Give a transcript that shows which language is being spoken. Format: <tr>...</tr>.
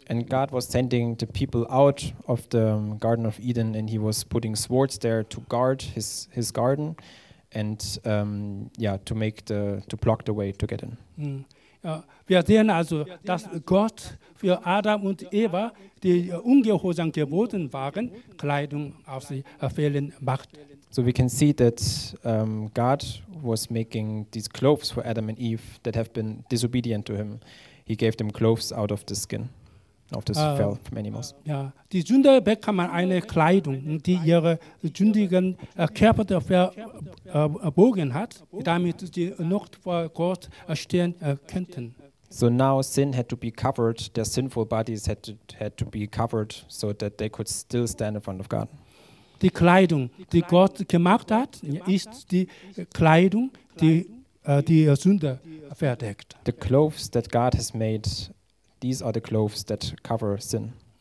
<en>And God was sending the people out of the Garden of Eden, and he was putting swords there to guard his garden and to block the way to get in.</en> <de>Wir sehen also, dass Gott für Adam und Eva, die ungehorsam geworden waren, Kleidung auf sie fehlen macht.</de> <en>So we can see that God was making these clothes for Adam and Eve that have been disobedient to him. He gave them clothes out of the skin of this fell from animals.</en> <de>Ja, die Sünder bekamen eine Kleidung, die ihre sündigen Körper verbogen hat, damit sie noch vor Gott stehen könnten.</de> <en>So now sin had to be covered, their sinful bodies had to be covered so that they could still stand in front of God.</en> <de>Die Kleidung, die Gott gemacht hat, ist die Kleidung, die Sünde verdeckt.</de> <en>The clothes that God has made, these are the clothes that cover sin.</en>